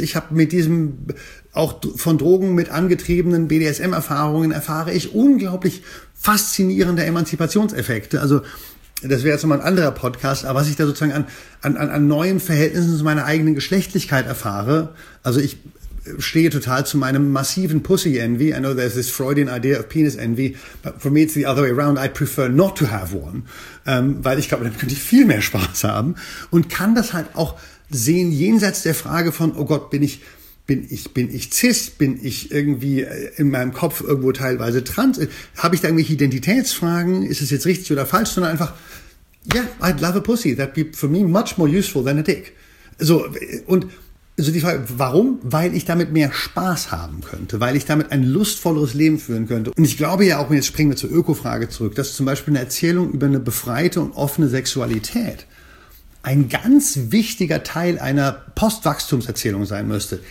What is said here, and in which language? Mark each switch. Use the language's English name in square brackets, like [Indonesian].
[German] Ich habe mit diesem auch von Drogen mit angetriebenen BDSM-Erfahrungen erfahre ich unglaublich faszinierende Emanzipationseffekte. Also das wäre jetzt nochmal ein anderer Podcast. Aber was ich da sozusagen an neuen Verhältnissen zu meiner eigenen Geschlechtlichkeit erfahre, also ich stehe total zu meinem massiven Pussy-Envy. [English] I know there's this Freudian idea of Penis-Envy. But for me it's the other way around. I'd prefer not to have one. [German] Weil ich glaube, dann könnte ich viel mehr Spaß haben. Und kann das halt auch sehen, jenseits der Frage von, oh Gott, bin ich Bin ich cis? Bin ich irgendwie in meinem Kopf irgendwo teilweise trans? Habe ich da irgendwelche Identitätsfragen? Ist es jetzt richtig oder falsch? Sondern einfach, [English] yeah, I'd love a pussy. That'd be for me much more useful than a dick. [German] So, und so die Frage, warum? Weil ich damit mehr Spaß haben könnte, weil ich damit ein lustvolleres Leben führen könnte. Und ich glaube ja auch, jetzt springen wir zur Öko-Frage zurück, dass zum Beispiel eine Erzählung über eine befreite und offene Sexualität ein ganz wichtiger Teil einer Postwachstumserzählung sein müsste.